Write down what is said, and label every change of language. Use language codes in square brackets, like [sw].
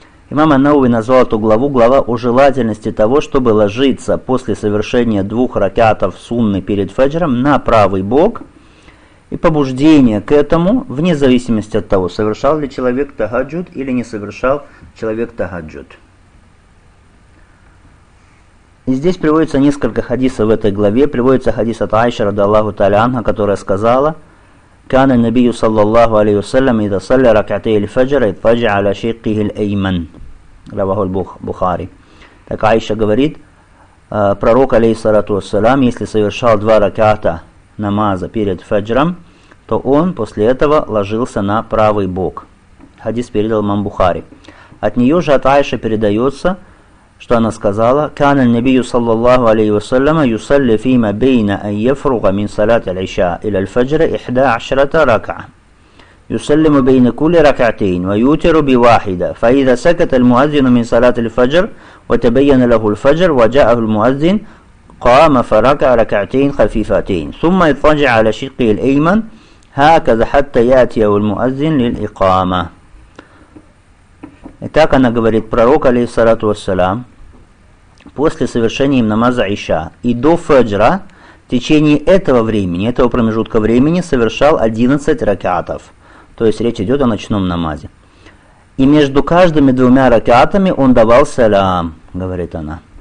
[ru] Имам Ан-Науви назвал эту главу «Глава о желательности того, чтобы ложиться после совершения двух ракатов сунны перед фаджром на правый бок и побуждение к этому, вне зависимости от того, совершал ли человек тахаджуд или не совершал человек тахаджуд». И здесь приводится несколько хадисов в этой главе. Приводится хадис от Аиши радиаллаху тааля анха, которая сказала: [ar] كان النبي صلى الله عليه وسلم إذا صلى ركعتي الفجر اضطجع على شقه الأيمن. رواه البخاري. [ru] Так Аиша говорит, пророк алейхиссалату вассалям, если совершал два раката намаза перед фаджром, то он после этого ложился на правый бок. Хадис передал имам Бухари. От нее же, от Аиши, передается, что она сказала: [ar] كان النبي صلى الله عليه وسلم يصلي فيما بين أن يفرغ من صلاة العشاء إلى الفجر 11 ركعة يسلم بين كل ركعتين ويوتر بواحدة فإذا سكت المؤذن من صلاة الفجر وتبين له الفجر وجاءه المؤذن قام فركع ركعتين خفيفتين ثم اضطجع على شقه الأيمن هكذا حتى يأتي المؤذن للإقامة. [ru] Итак, она говорит, пророк, алейхиссалату вассалям, после совершения им намаза Иша и до фаджра, в течение этого времени, этого промежутка времени, совершал 11 ракатов. То есть речь идет о ночном намазе. И между каждыми двумя ракеатами он давал салям, говорит она.